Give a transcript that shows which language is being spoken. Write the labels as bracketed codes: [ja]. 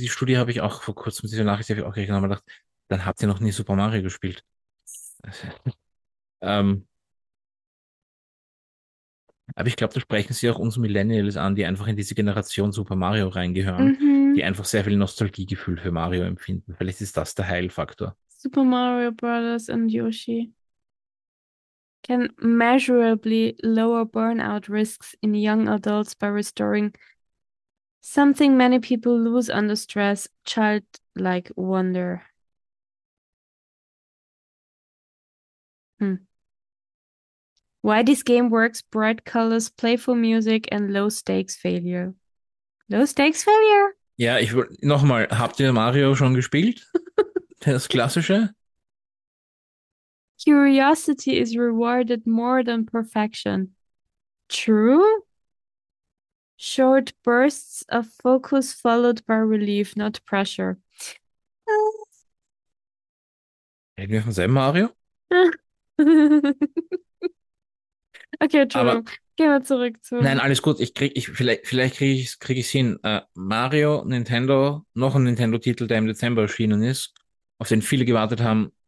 [de] die Studie habe ich auch vor kurzem, diese Nachricht habe ich auch gekriegt, und gedacht, dann habt ihr noch nie Super Mario gespielt. Aber ich glaube, da sprechen sie auch uns Millennials an, die einfach in diese Generation Super Mario reingehören, die einfach sehr viel Nostalgiegefühl für Mario empfinden. Vielleicht ist das der Heilfaktor. [en] Super Mario Brothers and Yoshi can measurably lower burnout risks in young adults by restoring something many people lose under stress, childlike wonder. Why this game works, bright colors, playful music and low stakes failure. Low stakes failure? [de] Ja, ich wollte nochmal, habt ihr Mario schon gespielt? Das Klassische? [en] Curiosity is rewarded more than perfection. True? Short bursts of focus followed by relief, not pressure. [de] Reden wir vom selben Mario? Okay, Entschuldigung. Gehen wir zurück Nein, zum. alles gut. Vielleicht krieg ich's hin. Mario, Nintendo, noch ein Nintendo-Titel, der im Dezember erschienen ist, auf den viele gewartet haben.